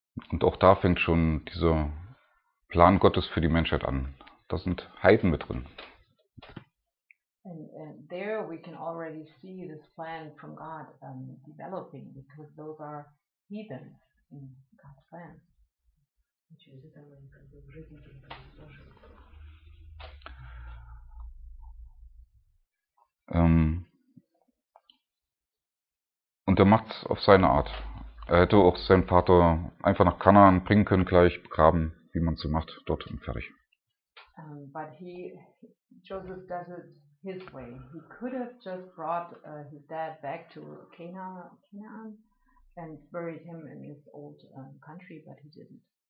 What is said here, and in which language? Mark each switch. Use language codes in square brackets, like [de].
[de] Und auch da fängt schon dieser Plan Gottes für die Menschheit an. Da sind Heiden mit drin. [en] And there we can already see this plan from God developing, because those are heathens in God's plan. [de] Und er macht's auf seine Art. Er hätte auch seinen Vater einfach nach Kanaan bringen können, gleich begraben, wie man es so macht, dort und fertig. [en] But Joseph does it his way. He could have just brought his dad back to Canaan and buried him in his old country, but he didn't.